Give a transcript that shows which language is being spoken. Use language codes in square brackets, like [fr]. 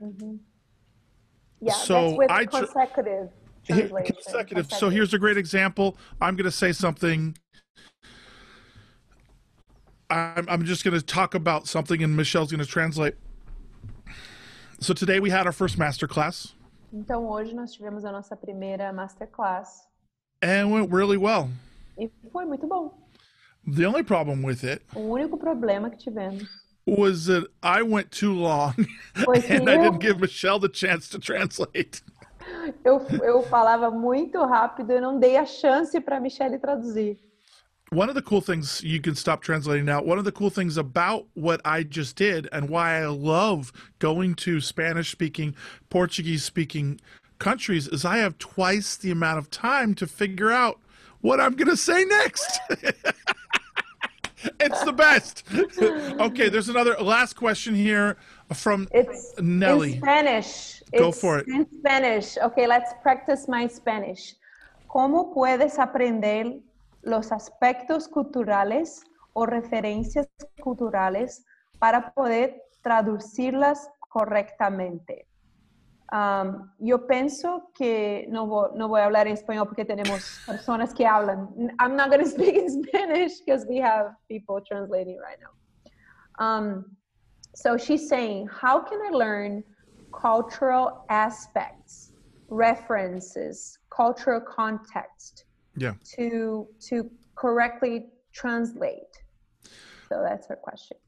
[en] Mm-hmm. Yeah, so that's with consecutive. So here's a great example. I'm going to say something. I'm just going to talk about something and Michelle's going to translate. So today we had our first masterclass. [pt] Então hoje nós tivemos a nossa primeira masterclass. [en] And it went really well. [pt] E foi muito bom. [en] The only problem with it. [pt] O único problema que tivemos. [en] Was that I went too long and I didn't give Michelle the chance to translate. [pt] Eu falava muito rápido e não dei a chance para Michelle traduzir. [en] One of the cool things, you can stop translating now, one of the cool things about what I just did and why I love going to Spanish-speaking, Portuguese-speaking countries is I have twice the amount of time to figure out what I'm going to say next. It's the best. Okay, there's another last question here from Nelly. In Spanish. Go it's for it. In Spanish. Okay, let's practice my Spanish. [es] ¿Cómo puedes aprender los aspectos culturales o referencias culturales para poder traducirlas correctamente? Yo pienso que no voy a hablar en español porque tenemos personas que hablan. [en] I'm not going to speak in Spanish because we have people translating right now. So she's saying, how can I learn cultural aspects, references, cultural context to correctly translate? So that's her question.